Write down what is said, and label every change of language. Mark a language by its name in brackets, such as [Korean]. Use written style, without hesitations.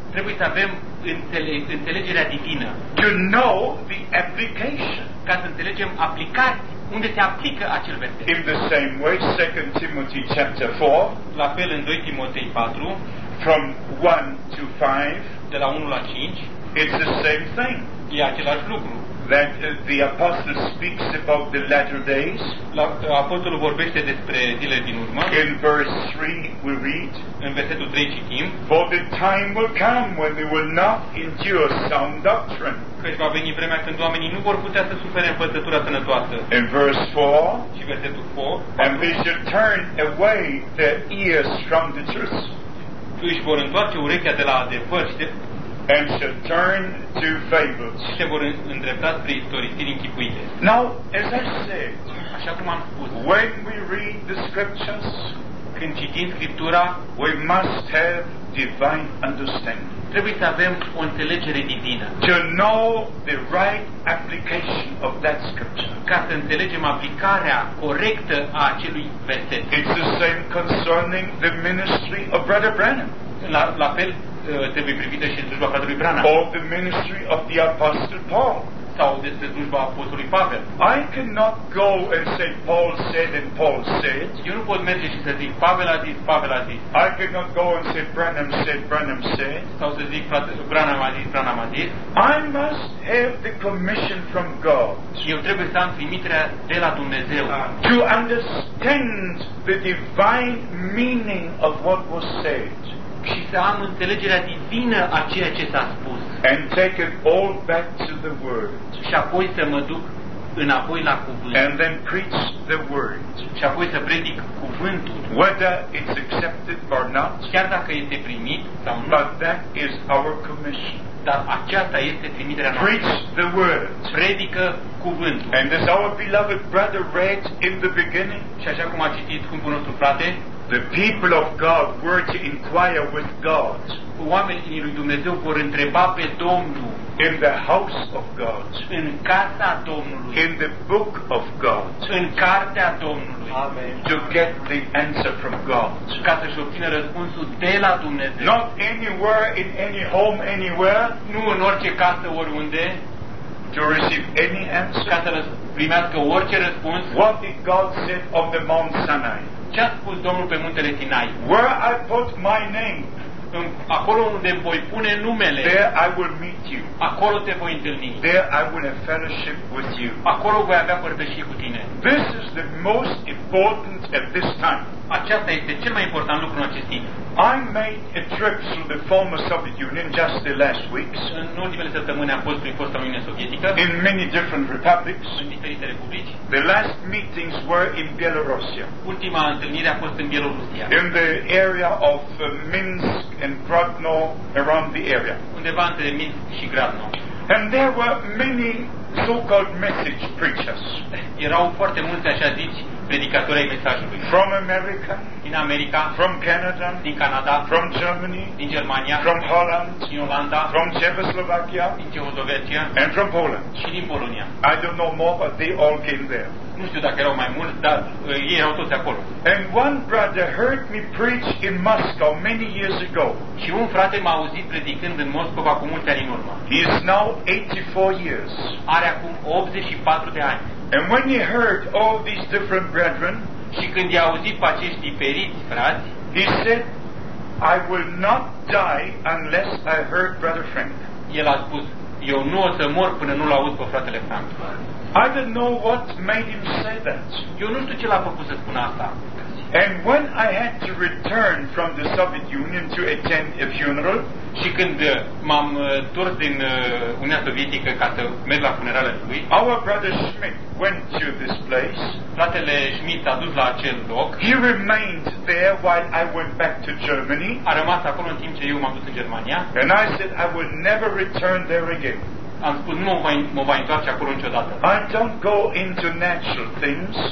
[Romanian] Trebuie să avem înțelegerea divină. [English] To know the application. [Romanian] Ca să înțelegem aplicat unde se aplică acel verset. [English] In the same way, 2 Timothy chapter 4, [Romanian] la fel în 2 Timotei 4, [English] from 1 to 5, [Romanian] de la 1 la 5, [English] it's the same thing. [Romanian] E același lucru. [English] That the apostle speaks about the latter days. [Romanian] Apostolul vorbește despre zilele din urmă. [English] In verse 3 we read. [Romanian] În versetul 3 citim. [English] For the time will come when they will not endure sound doctrine. [Romanian] Căci va veni vremea când oamenii nu vor putea să sufere învățătura sănătoasă. [English] In verse 4. [Romanian] Și versetul 4. [English] And they shall turn away their ears from the truth. [Romanian] Și își vor întoarce urechea de la adevăr și de... [English] And shall turn to fables. [Romanian] Se vor îndrepta spre istoristiri închipuite. [English] Now, as I said, [Romanian] așa cum am spus, [English] when we read the scriptures, [Romanian] când citim Scriptura, [English] we must have divine understanding. [Romanian] Trebuie să avem o înțelegere divină. [English] To know the right application of that scripture. [Romanian] Ca să înțelegem aplicarea corectă a acelui verset. [English] It's the same concerning the ministry of Brother Branham. [Romanian] La fel trebuie privită și slujba fratelui Branham. [English] Or the ministry of the Apostle Paul. [Romanian] Sau despre slujba apostolului Pavel. [English] I cannot go and say Paul said and Paul said. [Romanian] Eu nu pot merge și să zic Pavel a zis, Pavel a zis. [English] I cannot go and say Branham said, Branham said. [Romanian] Sau să zic fratele Branham a zis, Branham a zis. [English] I must have the commission from God. [Romanian] Eu trebuie să am trimiterea de la Dumnezeu. [English] To understand the divine meaning of what was said. [Romanian] Și să am înțelegerea divină a ceea ce s-a spus. [English] And take it all back to the word. [Romanian] Și apoi să mă duc înapoi la cuvânt. [English] And then preach the word. [Romanian] Și apoi să predic cuvântul. [English] Whether it's accepted or not. [Romanian] Chiar dacă este primit sau nu. [English] But that is our commission. [Romanian] Dar aceasta este trimiterea noastră. [English] Preach the word. [Romanian] Predică cuvântul. [English] And as our beloved brother read in the beginning. [Romanian] Și așa cum a citit scumpul nostru frate. [English] The people of God were to inquire with God. [Romanian] Oamenii lui Dumnezeu vor întreba pe Domnul. [English] In the house of God. [Romanian] În casa Domnului. [English] In the book of God. [Romanian] În cartea Domnului. [English] Amen. To get the answer from God. [Romanian] Ca să-și obțină răspunsul de la Dumnezeu. [English] Not anywhere, in any home, anywhere. [Romanian] Nu în orice casă, oriunde. [English] To receive any answer. [Romanian] Ca să primească orice răspuns. [English] What did God say on the Mount Sinai? [Romanian] Ce a spus Domnul pe muntele Sinai? [English] Where I put my name, [Romanian] acolo unde voi pune numele. [English] There I will meet you. [Romanian] Acolo te voi întâlni. [English] There I will have fellowship with you. [Romanian] Acolo voi avea părtășie cu tine. [English] This is the most important at this time. [Romanian] Aceasta este cel mai important lucru în acest timp. [English] I made a trip through the former Soviet Union just the last weeks. [Romanian] În ultimele săptămâni am fost prin fosta Uniune Sovietică. [English] In many different republics. [Romanian] În diferite republici. [English] The last meetings were in Belarusia. [Romanian] Ultima întâlnire a fost în Bielorusia. [English] In the area of Minsk and Grodno, around the area. [Romanian] Undeva între Minsk și Grodno. [English] And there were many so-called message preachers. [Romanian] Erau foarte mulți așa zici predicatori ai mesajului. [English] From America. [Romanian] Din America. [English] From Canada. [Romanian] Din Canada. [English] From Germany. [Romanian] Din Germania. [English] From Holland. [Romanian] Din Olanda. [English] From Czechoslovakia. [Romanian] Din Czechoslovakia. [English] And from Poland. [Romanian] Și din Polonia. [English] I don't know more, but they all came there. [Romanian] Nu știu dacă erau mai mulți, dar ei erau toți acolo. [English] And one brother heard me preach in Moscow many years ago. [Romanian] Și un frate m-a auzit predicând în Moscova cu mulți ani în urmă. [English] He is now 84 years. [Romanian] Are acum 84 de ani. [English] And when he heard all these different brethren, [Romanian] și când i-a auzit pe acești diferiți frați, [English] he said, I will not die unless I heard Brother Frank. [Romanian] El a spus, eu nu o să mor până nu l-aud pe fratele Frank. [English] I don't know what made him say that. [Romanian] Eu nu știu ce l-a făcut să spună asta. [English] And when I had to return from the Soviet Union to attend a funeral, [Romanian] și când m-am întors din Uniunea Sovietică ca să merg la funerală lui, [English] our brother Schmidt went to this place. [Romanian] Fratele Schmidt a dus la acel loc. [English] He remained there while I went back to Germany. [Romanian] A rămas acolo în timp ce eu m-am dus în Germania. [English] And I said I will never return there again. [Romanian] am spus, nu mă voi întoarce acolo niciodată. [English] I don't go into natural things.